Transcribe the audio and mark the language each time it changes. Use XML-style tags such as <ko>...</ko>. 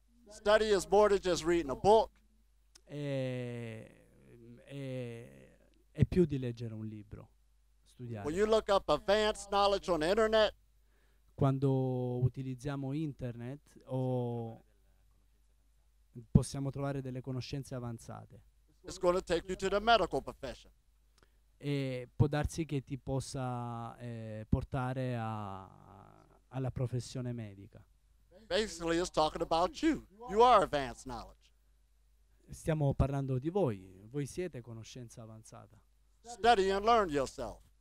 <en>Study is more than just reading a book.</en> <it>È più di leggere un libro. Studiare.</it> <en>When you look up advanced knowledge on the internet.</en> <it>Quando utilizziamo internet o possiamo trovare delle conoscenze avanzate.</it> <en>It's going to take you to the medical profession.</en> <it>E può darsi che ti possa portare alla professione medica.</it> <en>Basically it's talking about you. You are advanced knowledge.</en> <it>Stiamo parlando di voi. Voi siete conoscenza avanzata.</it> <en>Study and learn yourself.</en>